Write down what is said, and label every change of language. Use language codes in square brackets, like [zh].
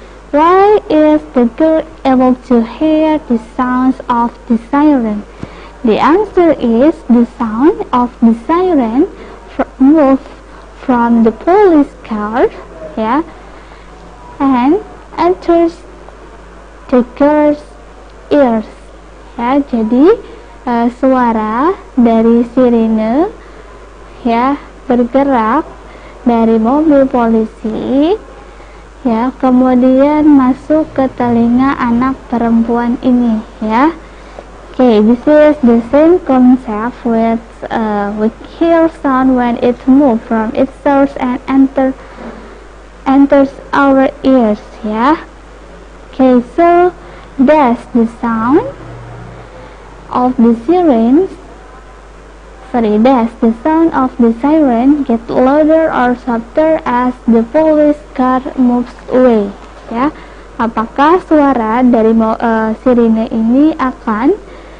[en] Why is the girl able to hear the sounds of the siren? The answer is the sound of the siren move from the police car, yeah, and enters the girl's ears. [id] Ya, jadi suara dari sirene ya bergerak dari mobil polisi. Ya, kemudian masuk ke telinga anak perempuan ini, ya. [en] Okay, this is the same concept with we hear sound when it moves from its source and enters our ears, ya. Okay, so that's the sound of the siren. Sorry, that's the sound of the siren get louder or softer as the police car moves away. [id] Ya, apakah suara dari sirene ini akan